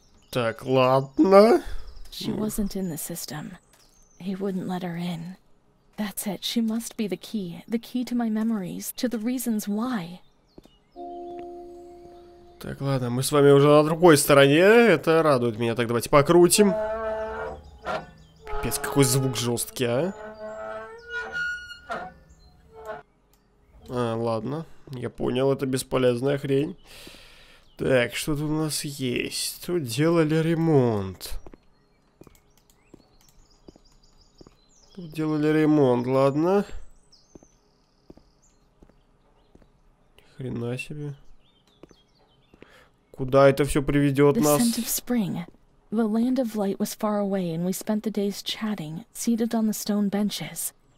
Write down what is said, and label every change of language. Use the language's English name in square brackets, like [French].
[Russian] Так, ладно. [English] She wasn't in the system. He wouldn't let her in. That's it. She must be the key to my memories, to the reasons why. [Russian] Так, ладно, мы с вами уже на другой стороне. Это радует меня. Так, давайте покрутим. Пипец, какой звук жесткий, а? А, ладно, я понял, это бесполезная хрень. Так, что тут у нас есть? Тут делали ремонт. Тут делали ремонт, ладно. Хрена себе. Куда это все приведет нас? [English] The land of light was far away, and we spent the days chatting, seated on the stone benches.